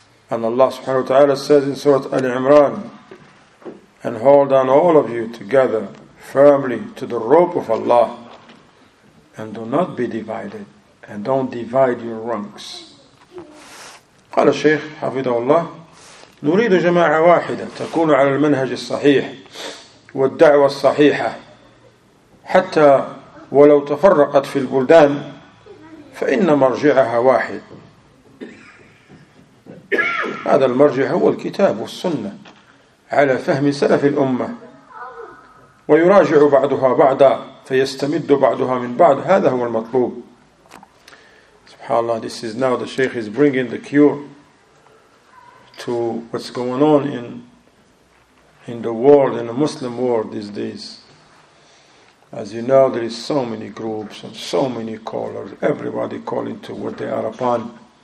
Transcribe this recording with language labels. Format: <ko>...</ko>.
<en>And Allah subhanahu wa ta'ala says in Surah Al-Imran, and hold on all of you together firmly to the rope of Allah and do not be divided and don't divide your ranks.</en> <ar>قال الشيخ حفظه الله, نريد جماعة واحدة تكون على المنهج الصحيح والدعوة الصحيحة حتى ولو تفرقت في البلدان فإن مرجعها واحد، هذا المرجع هو الكتاب والسنة على فهم سلف الأمة، ويراجع بعضها بعضا فيستمد بعضها من بعض، هذا هو المطلوب. سبحان الله،</ar> <en>this is now the Sheikh is bringing the cure to what's going on in the world, in the Muslim world these days. As you know, there is so many groups and so many callers, everybody calling to what they are upon.</en>